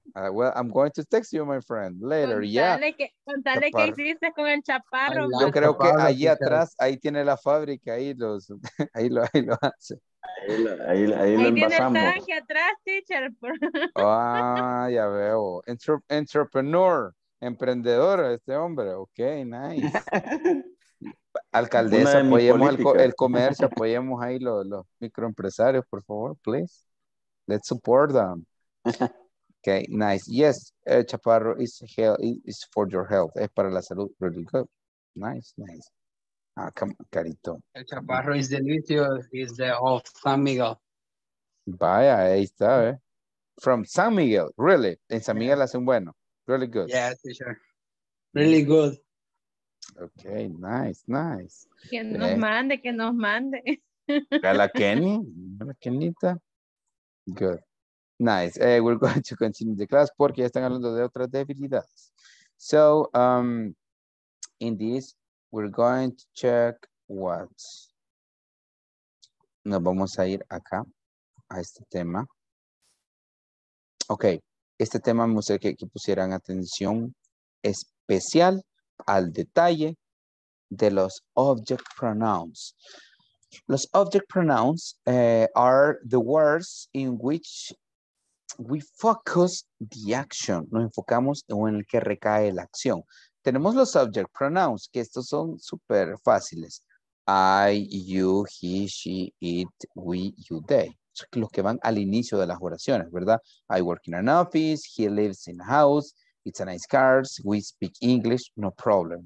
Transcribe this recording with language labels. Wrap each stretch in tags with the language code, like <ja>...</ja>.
<en>Well, I'm going to text you, my friend, later.</en> <es>Contale</es> <en>yeah.</en> <es>Contale que hiciste con el chaparro. Yo creo que allí atrás, ahí tiene la fábrica, ahí lo hace. Ahí lo envasamos. Tiene el tanque atrás, teacher. ya veo. Entrepreneur, emprendedor, este hombre.</es> <en>Okay, nice.</en> <es>Alcaldesa, apoyemos el comercio, apoyemos ahí los microempresarios, por favor, please.</es> <en>Let's support them. Okay, nice. Yes, chaparro is health, is for your health.</en> <es>Es para la salud.</es> <en>Really good. Nice. Ah, come on, Carito. El chaparro is delicious. It's the of San Miguel.</en> <es>Vaya, ahí está, eh.</es> <en>From San Miguel, really.</en> <es>En San Miguel hacen bueno.</es> <en>Really good. Yeah, teacher. Really good. Okay, nice.</en> <es>Que nos mande. A la Kenita.</es> <en>Good. Nice. We're going to continue the class</en> <es>porque ya están hablando de otras debilidades.</es> <en>So, in this, we're going to check what.</en> <es>Nos vamos a ir acá a este tema. Okay, este tema me gustaría que pusieran atención especial al detalle de los object pronouns.</es> <en>Los object pronouns are the words in which we focus the action.</en> <es>Nos enfocamos en el que recae la acción. Tenemos los object pronouns, que estos son súper fáciles.</es> <en>I, you, he, she, it, we, you, they.</en> <es>Los que van al inicio de las oraciones, ¿verdad?</es> <en>I work in an office, he lives in a house. It's a nice car, we speak English, no problem.</en>